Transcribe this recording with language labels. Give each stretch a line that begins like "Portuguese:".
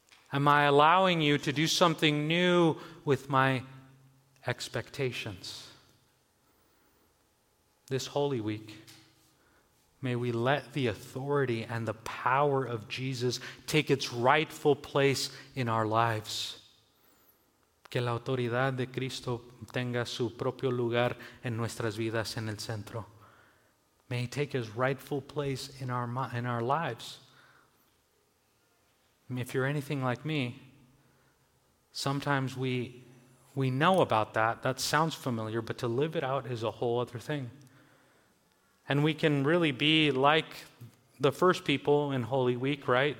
English: Am I allowing you to do something new with my expectations? This Holy Week, may we let the authority and the power of Jesus take its rightful place in our lives.
Spanish: Que la autoridad de Cristo tenga su propio lugar en nuestras vidas en el centro.
English: May he take his rightful place in our lives. If you're anything like me, sometimes we know about that. That sounds familiar, but to live it out is a whole other thing. And we can really be like the first people in Holy Week, right?